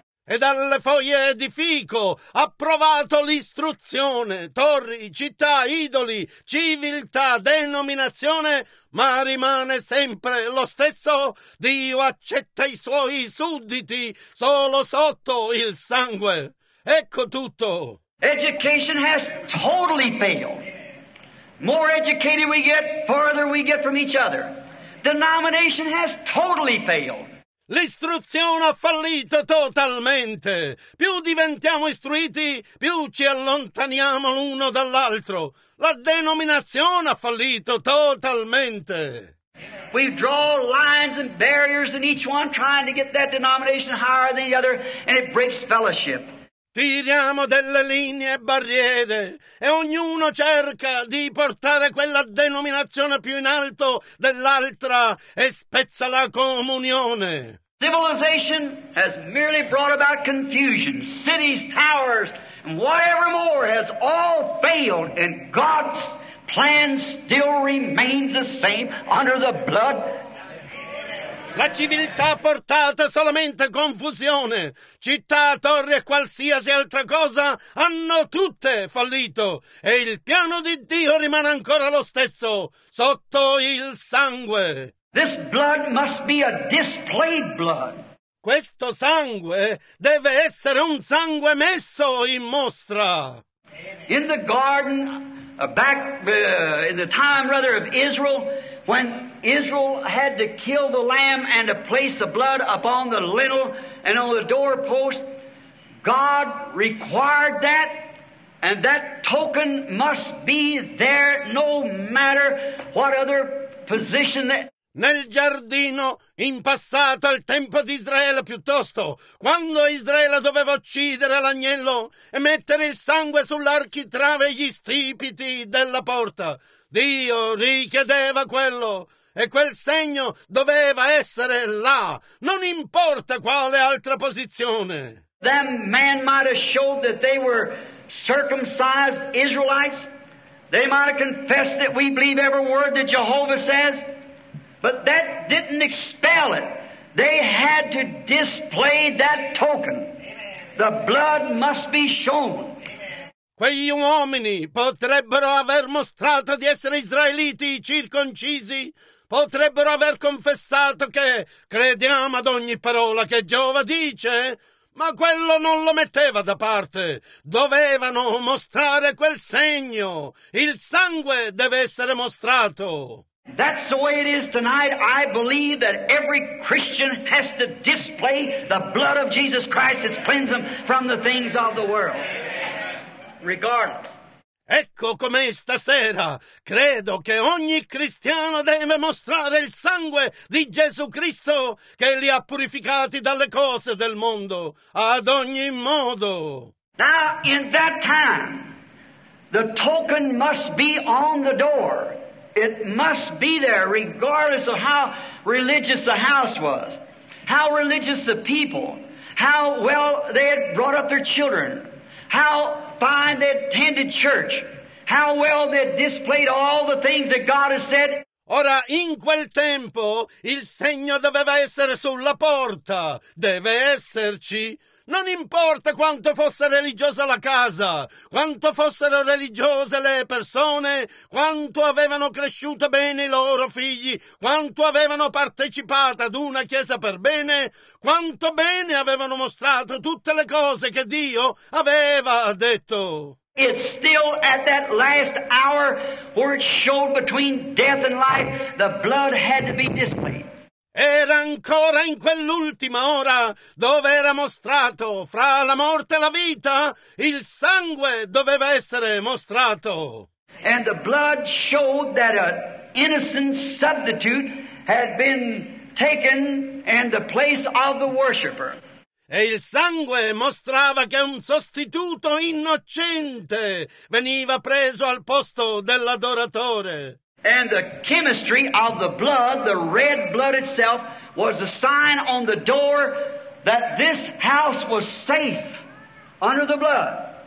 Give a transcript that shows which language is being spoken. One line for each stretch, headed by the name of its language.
Italian: e dalle foglie di fico ha provato l'istruzione, torri, città, idoli, civiltà, denominazione, ma rimane sempre lo stesso. Dio accetta i suoi sudditi solo sotto il sangue. Ecco tutto.
English: Education has totally failed. More educated we get, farther we get from each other. Denomination has totally failed.
Italian: L'istruzione ha fallito totalmente. Più diventiamo istruiti, più ci allontaniamo l'uno dall'altro. La denominazione ha fallito totalmente.
English: We draw lines and barriers in each one, trying to get that denomination higher than the other, and it breaks fellowship.
Italian: Tiriamo delle linee e barriere e ognuno cerca di portare quella denominazione più in alto dell'altra e spezza la comunione.
English: Civilization has merely brought about confusion. Cities, towers, and whatever more has all failed, and God's plan still remains the same under the blood.
Italian: La civiltà ha portato solamente confusione. Città, torri e qualsiasi altra cosa hanno tutte fallito. E il piano di Dio rimane ancora lo stesso, sotto il sangue.
English: This blood must be a displayed blood.
Italian: Questo sangue deve essere un sangue messo in mostra.
English: In the garden, in the time rather of Israel, when Israel had to kill the lamb and to place the blood upon the lintel and on the doorpost, God required that, and that token must be there no matter what other position that.
Italian: Nel giardino, in passato, al tempo di Israele piuttosto, quando Israele doveva uccidere l'agnello e mettere il sangue sull'architrave e gli stipiti della porta, Dio richiedeva quello, e quel segno doveva essere là, non importa quale altra posizione.
English: Then man might have showed that they were circumcised Israelites. They might have confessed that we believe every word that Jehovah says. But that didn't expel it. They had to display that token. The blood must be shown.
Italian: Quegli uomini potrebbero aver mostrato di essere israeliti circoncisi, potrebbero aver confessato che crediamo ad ogni parola che Geova dice, ma quello non lo metteva da parte. Dovevano mostrare quel segno. Il sangue deve essere mostrato.
English: That's the way it is tonight. I believe that every Christian has to display the blood of Jesus Christ that's cleansed them from the things of the world. Regardless.
Italian: Ecco com'è stasera. Credo che ogni cristiano deve mostrare il sangue di Gesù Cristo che li ha purificati dalle cose del mondo. Ad ogni modo.
English: Now, in that time, the token must be on the door. It must be there, regardless of how religious the house was, how religious the people, how well they had brought up their children, how fine they attended church, how well they displayed all the things that God has said.
Italian: Ora, in quel tempo, il segno doveva essere sulla porta, deve esserci. Non importa quanto fosse religiosa la casa, quanto fossero religiose le persone, quanto avevano cresciuto bene i loro figli, quanto avevano partecipato ad una chiesa per bene, quanto bene avevano mostrato tutte le cose che Dio aveva detto.
English: It's still at that last hour where it showed between death and life, the blood had to be displayed.
Italian: Era ancora in quell'ultima ora dove era mostrato fra la morte e la vita, il sangue doveva essere mostrato.
English: And the blood showed that an innocent substitute had been taken in the place of the worshipper.
Italian: E il sangue mostrava che un sostituto innocente veniva preso al posto dell'adoratore.
English: And the chemistry of the blood, the red blood itself, was a sign on the door that this house was safe under the blood.